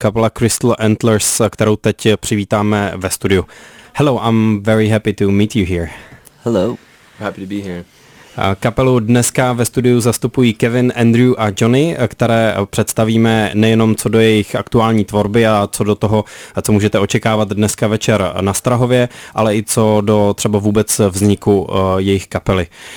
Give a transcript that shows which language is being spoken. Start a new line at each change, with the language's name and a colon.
Czech: kapela Crystal Antlers, kterou teď přivítáme ve studiu.
English: Hello, I'm very happy to meet you here. Hello. Happy to be here.
Czech: Kapelu dneska ve studiu zastupují Kevin, Andrew a Johnny, které představíme nejenom co do jejich aktuální tvorby a co do toho, co můžete očekávat dneska večer na Strahově, ale i co do třeba vůbec vzniku jejich kapely.